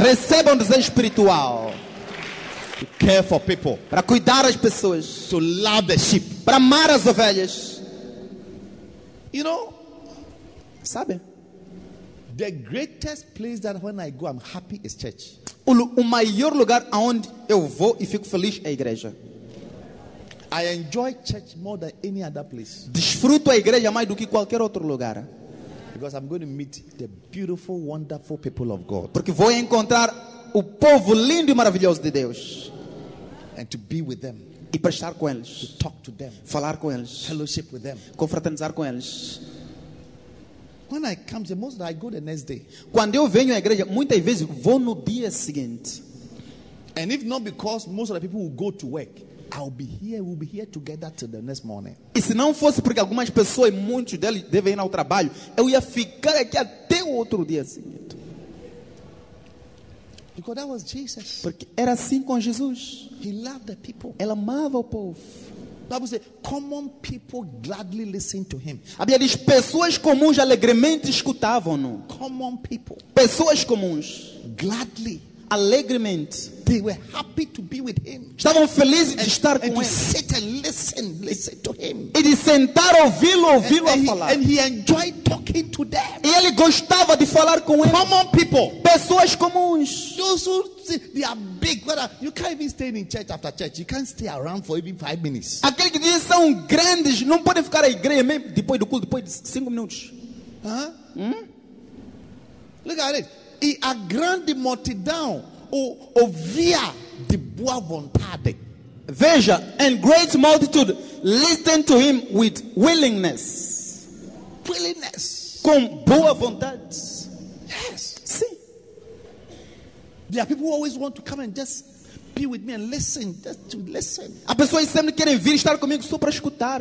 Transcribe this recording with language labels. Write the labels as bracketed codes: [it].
[pt] Receba um desejo espiritual. [en] To care for people. [pt] Para cuidar as pessoas. [en] To love the sheep. [pt] Para amar as ovelhas. [en] You know? [pt] Sabe? [en] The greatest place that when I go I'm happy is church. [pt] O maior lugar aonde eu vou e fico feliz é a igreja. [en] I enjoy church more than any other place. [pt] Desfruto a igreja mais do que qualquer outro lugar. [en] Because I'm going to meet the beautiful, wonderful people of God. [pt] Porque vou encontrar o povo lindo e maravilhoso de Deus. [en] And to be with them. [pt] E para estar com eles. [en] To talk to them. [pt] Falar com eles. [en] Fellowship with them. [pt] Confraternizar com eles. [en] When I come to most, I go the next day. [pt] Quando eu venho à igreja, muitas vezes vou no dia seguinte. [en] And if not because most of the people will go to work, I'll be here, we'll be here together till the next morning. [pt] E se não fosse porque algumas pessoas, muitos deles, devem ir ao trabalho, eu ia ficar aqui até o outro dia seguinte. [en] Because that was Jesus. [pt] Porque era assim com Jesus. [en] He loved the people. [pt] Ele amava o povo. [en] The Bible says, common people gladly listened to him. [pt] A Bíblia diz, pessoas comuns alegremente escutavam-no. [en] Common people. [pt] Pessoas comuns. [en] Gladly. [pt] Alegremente. [en] They were happy to be with him. [pt] Estavam felizes de estar com [en] and [pt] ele. [en] To sit and listen to him. [pt] E de sentar, ouvi-lo [en] and [pt] a falar. [en] And he enjoyed talking to them. [pt] E ele gostava de falar com ele. [en] Common people. [pt] Pessoas comuns. [en] Those who see, they are big. You can't even stay in church after church. You can't stay around for even 5 minutes. [pt] Aqueles que dizem são grandes. Não pode ficar na igreja mesmo depois do culto, depois de 5 minutos. [en] Huh? Look at it. [pt] E a grande multidão ouvia de boa vontade. [en] Veja, and great multitude listened to him with willingness. Willingness. [pt] Com boa vontade. [en] Yes. [pt] Sim. [en] There are people who always want to come and just be with me and listen, just to listen. [pt] A pessoa sempre querem vir estar comigo só para escutar.